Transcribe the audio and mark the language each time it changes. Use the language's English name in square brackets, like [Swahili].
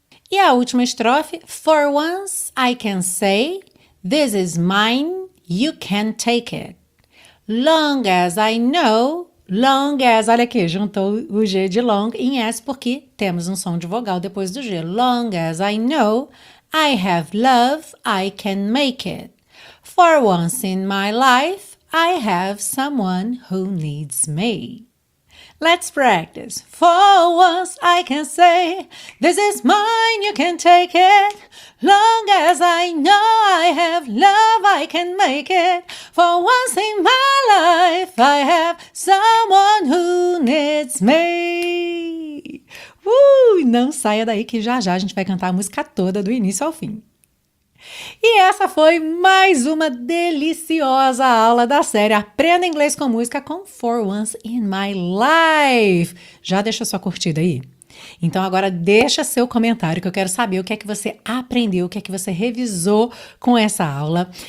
[Portuguese] E a última estrofe, [English] for once I can say, this is mine, you can take it. Long as I know, long as, [Portuguese] olha aqui, juntou o G de long em S porque temos um som de vogal depois do G. [English] Long as I know, I have love, I can make it. For once in my life, I have someone who needs me. Let's practice. For once I can say, this is mine, you can take it. Long as I know I have love, I can make it. For once in my life, I have someone who needs me. [Portuguese] Não saia daí que já já a gente vai cantar a música toda do início ao fim. E essa foi mais uma deliciosa aula da série Aprenda Inglês com Música com For Once in My Life. Já deixa sua curtida aí? Então agora deixa seu comentário que eu quero saber o que é que você aprendeu, o que é que você revisou com essa aula.